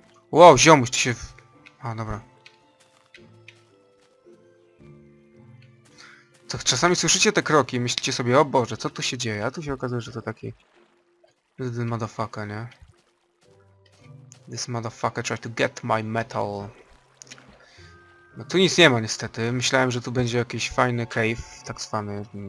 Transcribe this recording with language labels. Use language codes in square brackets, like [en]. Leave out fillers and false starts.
[pl] Wow, ziomuś, ty się... A, dobra. To czasami słyszycie te kroki i myślicie sobie, o Boże, co tu się dzieje? A tu się okazuje, że to taki... [en] This motherfucker, [pl] nie? [en] This motherfucker tried to get my metal. [pl] No tu nic nie ma niestety. Myślałem, że tu będzie jakiś fajny cave, tak zwany.